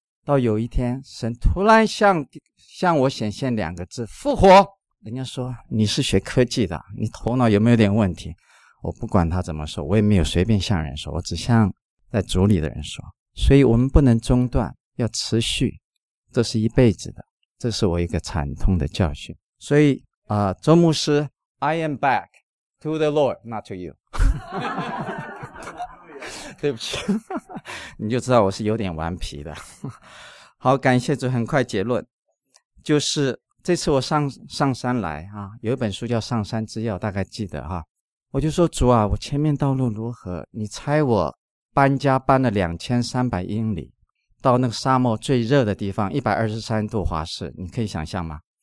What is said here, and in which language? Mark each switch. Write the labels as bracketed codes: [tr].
[zh] 到有一天神突然向我显现两个字，复活。人家说你是学科技的，你头脑有没有点问题？我不管他怎么说，我也没有随便向人说，我只向在主里的人说。所以我们不能中断，要持续，这是一辈子的，这是我一个惨痛的教训。所以 [en] 周牧师 I am back to the Lord, not to you. [zh] 对不起，你就知道我是有点顽皮的。好，感谢主。很快结论，就是这次我上山来啊，有一本书叫《上山之钥》，大概记得哈。我就说主啊，我前面道路如何？你猜我搬家搬了2300英里，到那个沙漠最热的地方123度华氏，你可以想象吗？